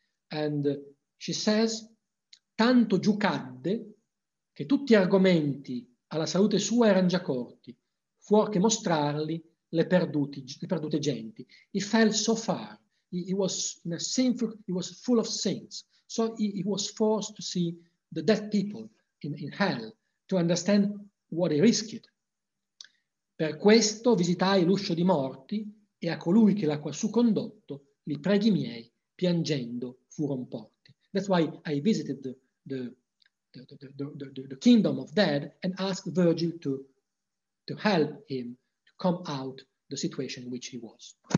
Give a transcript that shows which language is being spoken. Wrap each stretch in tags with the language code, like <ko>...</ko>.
<en>And she says,</en> <it>tanto giù cadde che tutti argomenti alla salute sua eran già corti, fuor che mostrarli le perdute genti.</it> <en>He fell so far. He was in a sinful, he was full of sins. So he was forced to see the dead people in hell to understand what he risked.</en> <it>Per questo visitai l'uscio di morti e a colui che l'ha quassù condotto, li preghi miei, piangendo furon porti.</it> <en>That's why I visited the kingdom of dead and asked Virgil to help him to come out the situation in which he was.</en>